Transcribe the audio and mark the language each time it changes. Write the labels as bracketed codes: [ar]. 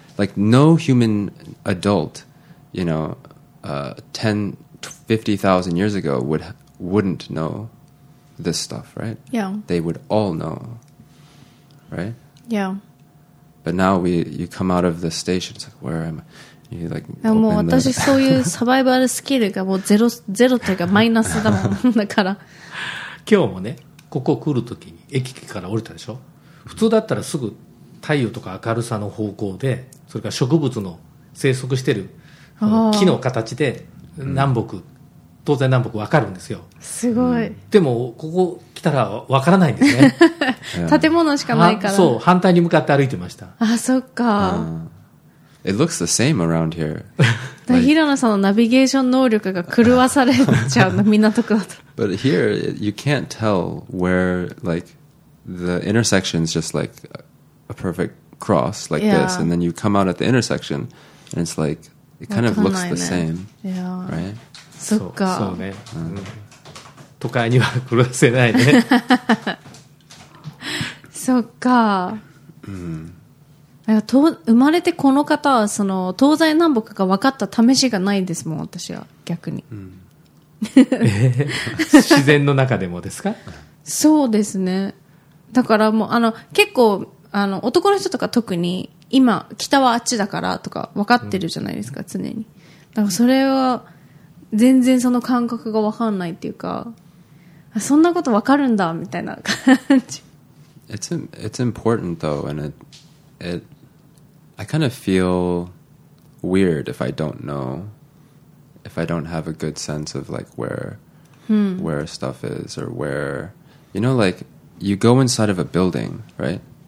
[en] Like no human adult, you know, 50,000 years ago wouldn't know this stuff, right? Yeah. They would all know, right? Yeah. But now you come out of the station, it's like, where am I? You like, [ja] open もう私そういうサバイバルスキルがもうゼロというかマイナスだもんだから。今日もね、ここ来るときに駅から降りたでしょ。普通だったらすぐ太陽とか明るさの方向で、それから植物の生息してる木の形で、南北、東西南北分かるんですよ。すごい。でもここ来たら分からないんですね。建物しかないから。そう、反対に向かって歩いてました。あ、そっか。 [en] It looks the same around here. [ja] だから平野さんのナビゲーション能力が狂わされちゃうの、港区だと。 [en] But here you can't tell where like the intersection is just like a perfect cross like this, and then you come out at the intersection and it's like It kind of looks the same. Yeah. Right? [ja] そっか。そうね。都会には暮らせないね。そっか。いや、生まれてこの方はその東西南北が分かった試しがないですもん、私は逆に、自然の中でもですか。そうですね。だからもうあの結構あの男の人とか特に今北はあっちだからとか分かってるじゃないですか、常に。だからそれは全然その感覚が分かんないっていうか、そんなこと分かるんだみたいな感じ。 [en] It's important though, and I kind of feel weird if I don't know, if I don't have a good sense of like where stuff is, or where, you know, like you go inside of a building, right?